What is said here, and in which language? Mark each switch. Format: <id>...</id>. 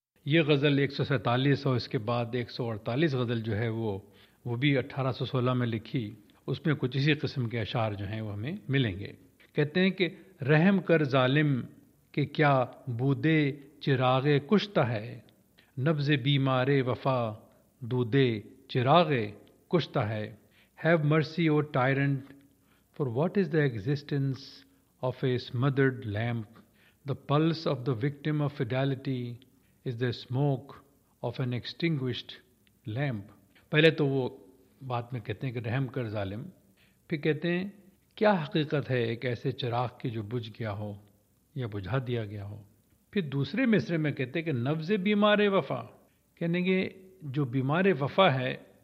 <ur>یہ غزل 147 اور اس کے بعد 148 غزل جو ہے وہ بھی 1816 میں لکھی, اس میں کچھ اسی قسم کے اشعار جو ہیں وہ ہمیں ملیں گے. کہتے ہیں کہ رحم کر ظالم کہ کیا بودے چراغ کشتہ ہے, نبض بیمار وفا دودے چراغ کشتہ ہے.</ur> <en>Have mercy o tyrant, for what is the existence of a smothered lamp. The pulse of the victim of fidelity is the smoke of an extinguished lamp.</en> <ur>پہلے تو وہ بات میں کہتے ہیں کہ رحم کر ظالم, پھر کہتے ہیں کیا حقیقت ہے ایک ایسے چراغ کی جو بجھ گیا ہو یا بجھا دیا گیا ہو. پھر دوسرے مصرے میں کہتے ہیں کہ نبض بیمار وفا, کہنے گے جو بیمار وفا ہے</ur>